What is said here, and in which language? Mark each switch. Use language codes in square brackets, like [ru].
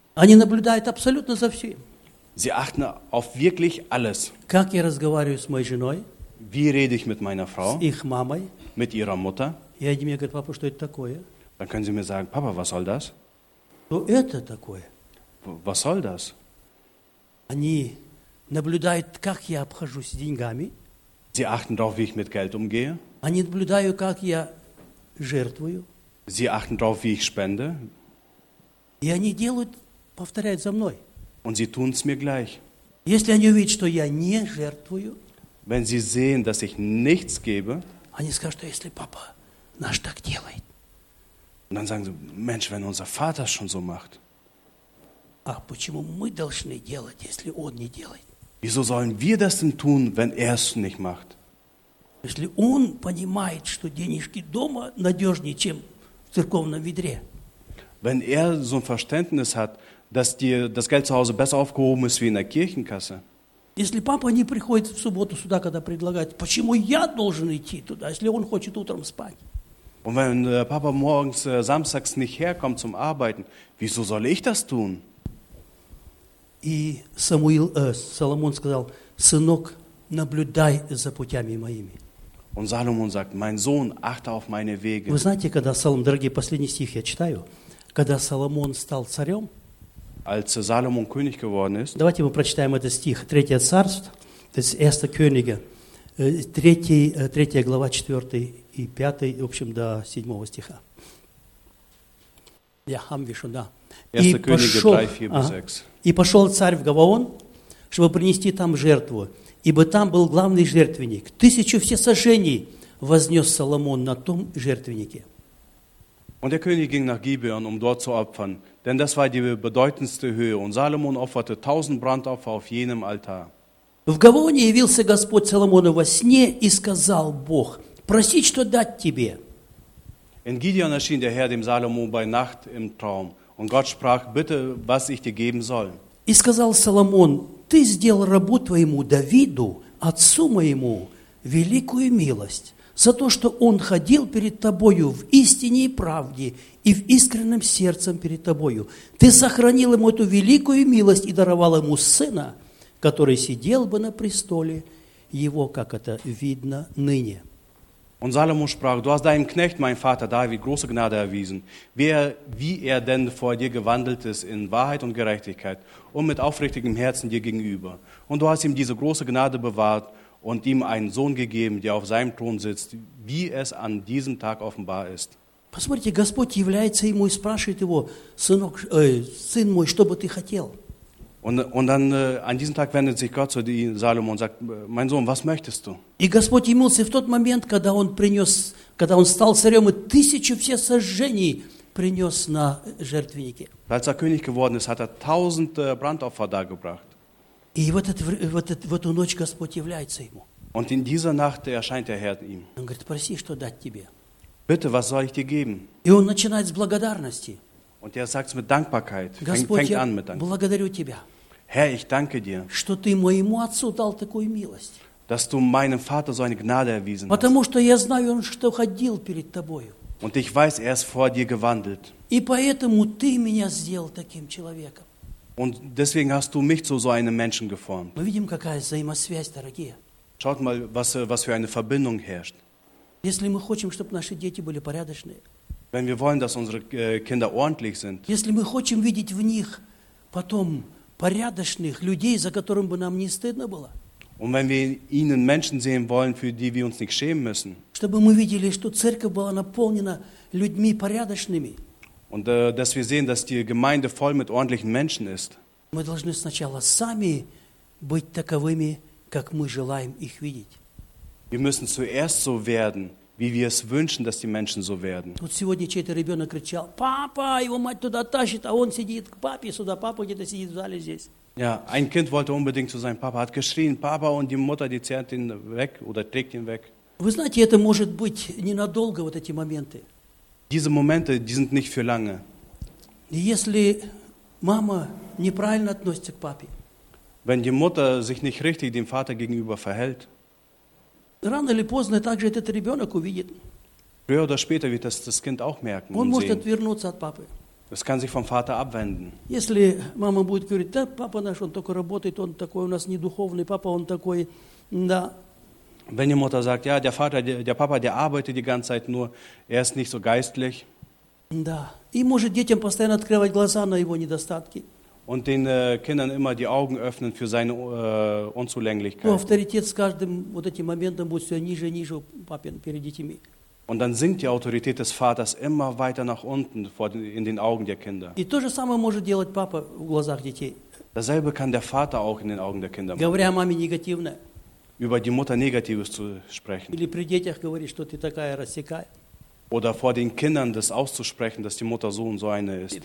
[ru] Они наблюдают абсолютно за всем. [de] Sie achten auf wirklich alles. [ru] Как я разговариваю с моей женой? [de] Wie rede ich mit meiner Frau? [ru] С их мамой? [de] Mit ihrer Mutter? [ru] Я им говорю, папа, что это такое? [de] Dann können sie mir sagen, Papa, was soll das? [ru] Что это такое? [de] Was soll das? [ru] Они наблюдают, как я обхожусь с деньгами. [de] Sie achten darauf, wie ich mit Geld umgehe. [ru] Они наблюдают, как я жертвую. [de] Sie achten darauf, wie ich spende. [ru] И они делают, повторяют за мной. [de] Und sie tun's mir gleich. [ru] Если они увидят, что я не жертвую, [de] wenn sie sehen, dass ich nichts gebe, [ru] они скажут, что если папа наш так делает. [de] Und dann sagen sie, Mensch, wenn unser Vater schon so macht. [ru] А почему мы должны делать, если он не делает? [de] Wieso sollen wir das denn tun, wenn er es nicht macht? [ru] Если он понимает, что денежки дома надежнее, чем в церковном ведре. [de] Wenn er so ein Verständnis hat, dass dir das Geld zu Hause besser aufgehoben ist wie in der Kirchenkasse. [ru] Если папа не приходит в субботу сюда, когда предлагает, почему я должен идти туда, если он хочет утром спать? [de] Und wenn Papa morgens samstags nicht herkommt zum Arbeiten, wieso soll ich das tun? [ru] И Соломон сказал, сынок, наблюдай за путями моими. [de] Und Salomon sagt: Mein Sohn, achte auf meine Wege. [ru] Вы знаете, когда Соломон, дорогие, последний стих я читаю, когда Соломон стал царем? [de] Als Salomon König geworden ist. [ru] Давайте мы прочитаем этот стих, третье царство, то есть [de] Эста Кёнига, [ru] третья глава, четвертый и пятый, в общем, до седьмого стиха. Я хамвишу, да. И пошел царь в Гаваон, чтобы принести там жертву, ибо там был главный жертвенник. 1000 всесожжений вознес Соломон на том жертвеннике. [de] Und der König ging nach Gibeon, um dort zu opfern, denn das war die bedeutendste Höhe, und Salomon opferte 1000 Brandopfer auf jenem Altar. [ru] В Гаваоне явился Господь Соломону во сне и сказал Бог: «Проси, что дать тебе». [de] In Gideon erschien der Herr dem Salomo bei Nacht im Traum, und Gott sprach: Bitte, was ich dir geben soll. [ru] И сказал Соломон: Ты сделал рабу твоему Давиду, отцу моему, великую милость, за то, что он ходил перед тобою в истине и правде, и в искренном сердцем перед тобою. Ты сохранил ему эту великую милость и даровал ему сына, который сидел бы на престоле его, как это видно ныне. [de] Und Salomo sprach: Du hast deinem Knecht, mein Vater David, große Gnade erwiesen, wie er denn vor dir gewandelt ist in Wahrheit und Gerechtigkeit und mit aufrichtigem Herzen dir gegenüber. Und du hast ihm diese große Gnade bewahrt und ihm einen Sohn gegeben, der auf seinem Thron sitzt, wie es an diesem Tag offenbar ist. [ru] Посмотрите, Господь является ему и спрашивает его: Сынок, сын мой, что бы ты хотел? [de] Und dann an diesem Tag wendet sich Gott zu Salomo und sagt: Mein Sohn, was möchtest du? [ru] И Господь явился в тот момент, когда он принес, когда он стал царем, и 1000 всесожжений принес на жертвеннике. [de] Als er König geworden ist, hat er 1000 Brandopfer dargebracht. [ru] И в эту ночь Господь является ему. [de] Und in dieser Nacht erscheint der Herr ihm. [ru] Он говорит: Проси, что дать тебе. [de] Bitte, was soll ich dir geben? [ru] И он начинает с благодарности. [de] Und er sagt es mit Dankbarkeit. Господь, fängt an mit Dankbarkeit. Herr, ich danke dir, [ru] что ты моему отцу дал такую милость, [de] dass du meinem Vater so eine Gnade erwiesen [ru] потому, [de] hast. [ru] Что я знаю, что ходил перед тобою. [de] Und ich weiß, er ist vor dir gewandelt. [ru] И поэтому ты меня сделал таким человеком. [de] Und deswegen hast du mich zu so einem Menschen geformt. [ru] Мы видим, какая взаимосвязь, дорогие. [de] Schaut mal, was für eine Verbindung herrscht. [ru] Если мы хотим, чтобы наши дети были порядочные, [de] wenn wir wollen, dass unsere Kinder ordentlich sind, [ru] если мы хотим видеть в них потом порядочных людей, за которым бы нам не стыдно было, [de] und wenn wir ihnen Menschen sehen wollen, für die wir uns nicht schämen müssen, [ru] чтобы мы видели, что церковь была наполнена людьми порядочными, [de] und dass wir sehen, dass die Gemeinde voll mit ordentlichen Menschen ist, [ru] мы должны сначала сами быть таковыми, как мы желаем их видеть. [de] Wir müssen zuerst so werden, wie wir es wünschen, dass die Menschen so werden. [ru] Вот сегодня чей-то ребенок кричал: Папа, его мать туда тащит, а он сидит к папе сюда, папа где-то сидит в зале здесь. [de] Ja, ein Kind wollte unbedingt zu seinem Papa, hat geschrien, Papa, und die Mutter, die zerrt ihn weg oder trägt ihn weg. [ru] Вы знаете, это может быть ненадолго, вот эти моменты. [de] Diese Momente, die sind nicht für lange. [ru] Если мама неправильно относится к папе, [de] wenn die Mutter sich nicht richtig dem Vater gegenüber verhält, [ru] рано или поздно также этот ребенок увидит. [de] Früher oder später wird das Kind auch merken. [ru] Он может отвернуться от папы. [de] Es kann sich vom Vater abwenden. [ru] Если мама будет говорить: Да, папа наш, он только работает, он такой у нас не духовный, папа, он такой, да. [de] Wenn die Mutter sagt: Ja, der Vater, der Papa, der arbeitet die ganze Zeit nur, er ist nicht so geistlich. [ru] Да. И может детям постоянно открывать глаза на его недостатки. [de] Und den Kindern immer die Augen öffnen für seine Unzulänglichkeit. [ru] Авторитет с каждым вот этим моментом будет все ниже и ниже папин перед детьми. [de] Und dann sinkt die Autorität des Vaters immer weiter nach unten in den Augen der Kinder. [ru] И то же самое может делать папа в глазах детей. [de] Dasselbe kann der Vater auch in den Augen der Kinder machen. [ru] Говоря маме негативно. [de] Über die Mutter Negatives zu sprechen. [ru] Или при детях говорить, что ты такая рассекая. [de] Oder vor den Kindern das auszusprechen, dass die Mutter so und so eine ist.